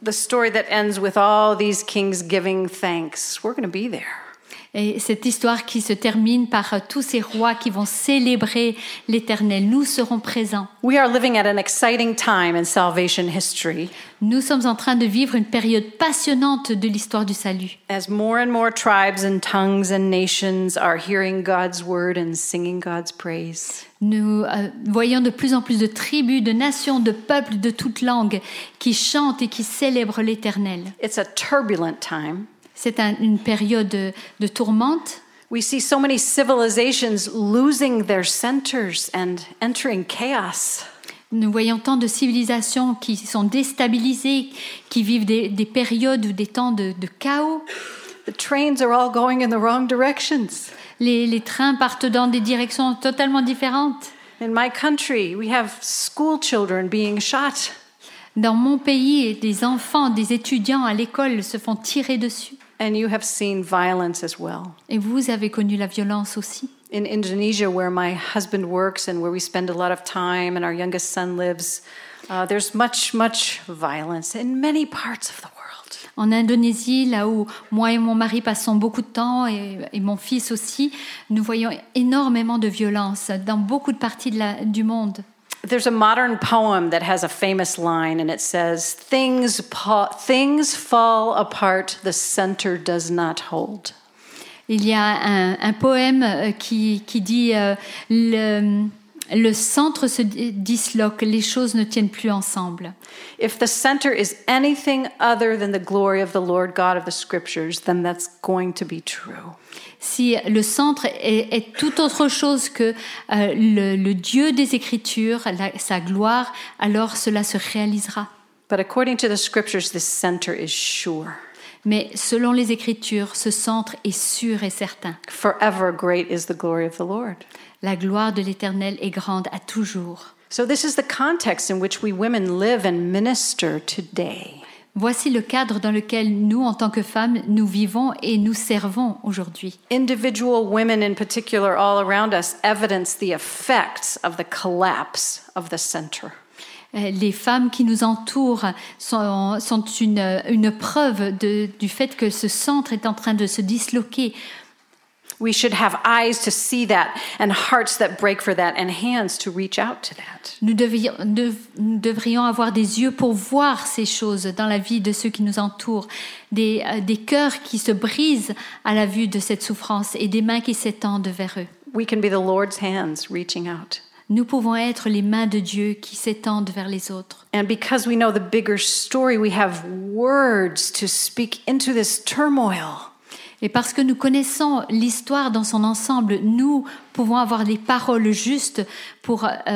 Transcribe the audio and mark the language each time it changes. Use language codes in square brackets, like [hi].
[en] The story that ends with all these kings giving thanks. We're going to be there. [fr] Et cette histoire qui se termine par tous ces rois qui vont célébrer l'Éternel. Nous serons présents. [en] We are living at an exciting time in salvation history. [fr] Nous sommes en train de vivre une période passionnante de l'histoire du salut. [en] As more and more tribes and tongues and nations are hearing God's word and singing God's praise. [fr] Nous voyons de plus en plus de tribus, de nations, de peuples de toutes langues qui chantent et qui célèbrent l'Éternel. [en] It's a turbulent time. [fr] C'est une période de tourmente. [en] We see so many civilizations losing their centers and entering chaos. [fr] Nous voyons tant de civilisations qui sont déstabilisées, qui vivent des périodes ou des temps de chaos. [en] The trains are all going in the wrong directions. [fr] Les trains partent dans des directions totalement différentes. [en] In my country, we have school children being shot. [fr] Dans mon pays, des enfants, des étudiants à l'école se font tirer dessus. [en] And you have seen violence as well. [fr] Et vous avez connu la violence aussi. [en] In Indonesia, where my husband works and where we spend a lot of time and our youngest son lives, there's much, much violence in many parts of the world. [fr] En Indonésie, là où moi et mon mari passons beaucoup de temps et mon fils aussi, nous voyons énormément de violence dans beaucoup de parties du monde. [en] There's a modern poem that has a famous line, and it says, things fall apart, the center does not hold. [fr] Il y a un poème qui dit, le centre se disloque, les choses ne tiennent plus ensemble. [en] If the center is anything other than the glory of the Lord God of the Scriptures, then that's going to be true. [fr] Si le centre est tout autre chose que le Dieu des Écritures, sa gloire, alors cela se réalisera. [en] But according to the Scriptures, this center is sure. [fr] Mais selon les Écritures, ce centre est sûr et certain. [en] Forever great is the glory of the Lord. [fr] La gloire de l'Éternel est grande à toujours. [en] So this is the context in which we women live and minister today. [fr] Voici le cadre dans lequel nous, en tant que femmes, nous vivons et nous servons aujourd'hui. [en] Individual women in particular all around us evidence the effects of the collapse of the center. [fr] Les femmes qui nous entourent sont une preuve du fait que ce centre est en train de se disloquer. [en] We should have eyes to see that and hearts that break for that and hands to reach out to that. [fr] Nous devrions avoir des yeux pour voir ces choses dans la vie de ceux qui nous entourent, des cœurs qui se brisent à la vue de cette souffrance et des mains qui s'étendent vers eux. [en] We can be the Lord's hands reaching out. [fr] Nous pouvons être les mains de Dieu qui s'étendent vers les autres. [en] And because we know the bigger story, we have words to speak into this turmoil. [fr] Et parce que nous connaissons l'histoire dans son ensemble, nous pouvons avoir les paroles justes pour